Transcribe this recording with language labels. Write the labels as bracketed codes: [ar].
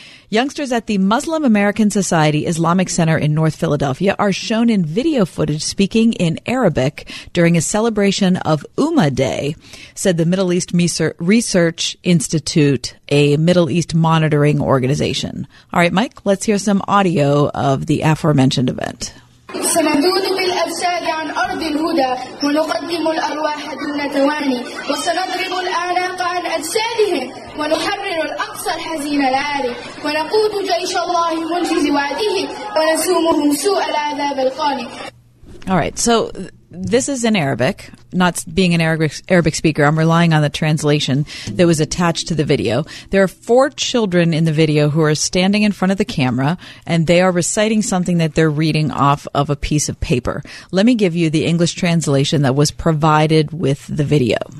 [en] Youngsters at the Muslim American Society Islamic Center in North Philadelphia are shown in video footage speaking in Arabic during a celebration of Ummah Day, said the Middle East Research Institute, a Middle East monitoring organization. All right, Mike, let's hear some audio of the aforementioned event. [ar] سنذود بالأجساد عن أرض الهدى ونقدم الأرواح دون ثواني وسنضرب الأعناق عن أجسادهم ونحرر الأقصى الحزين العاري ونقود جيش الله منجز وعده ونسومه سوء العذاب القاني. [en] All right, so this is in Arabic. Not being an Arabic speaker, I'm relying on the translation that was attached to the video. There are four children in the video who are standing in front of the camera, and they are reciting something that they're reading off of a piece of paper. Let me give you the English translation that was provided with the video.